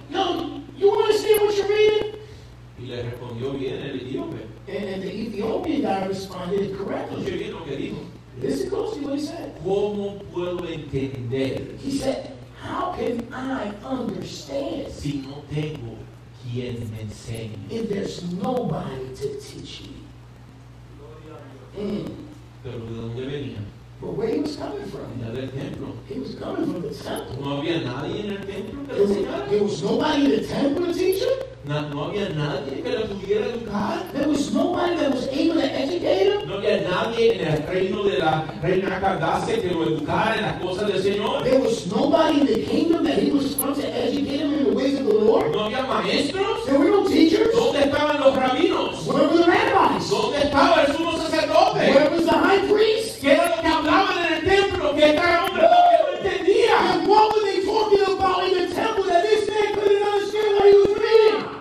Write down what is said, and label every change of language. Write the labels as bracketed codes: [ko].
[en] Yo, you understand what you're reading? [es] Y le respondió bien el etíope. [en] And the Ethiopian guy responded correctly. [es] ¿Qué es lo que dijo? [en] This is closely what he said. [es] ¿Cómo puedo entender? [en] He said, how can I understand? [es] Si no tengo quien me enseñe. [en] If there's nobody to teach me. [es] Pero ¿de dónde venía? [en] But where he was coming from. [es] Era del templo. [en] He was coming from the temple. [es] No había nadie en el templo que lo enseñara. [en] There was nobody in the temple to teach him? [es] No había nadie que lo pudiera educar. [en] There was nobody that was able to educate him. [es] No había nadie en el reino de la reina Candace que lo educara en las cosas del Señor. [en] There was nobody in the kingdom that he was from to educate him in the ways of the Lord. [es] No había maestros. [en] There were no teachers. [es] ¿Dónde estaban los rabinos? [en] Where were the rabbis? [es] ¿Dónde estaba el sumo sacerdote? [en] Where was the high priest? [es] ¿Qué era lo que hablaban en el templo? ¿Qué era lo que no entendía? [en] And what were they talking about in the temple that this man couldn't understand what he was reading?